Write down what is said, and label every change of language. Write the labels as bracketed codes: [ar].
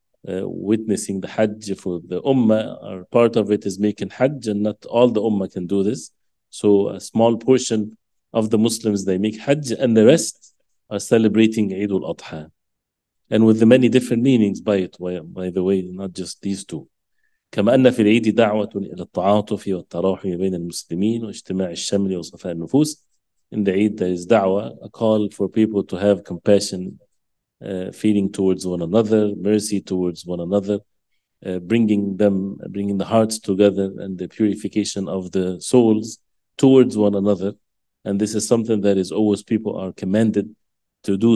[en] witnessing the Hajj for the Ummah, or part of it is making Hajj, and not all the Ummah can do this. So a small portion of the Muslims, they make Hajj, and the rest are celebrating Eid al-Adha. And with the many different meanings by it, by the way, not just these two. [ar] كما أن في العيد دعوة إلى التعاطف والتراحم بين المسلمين واجتماع الشمل وصفاء النفوس. [en] In the Eid, there is دعوة, a call for people to have compassion, feeling towards one another, mercy towards one another, bringing the hearts together and the purification of the souls towards one another. And this is something that is always people are commanded to do.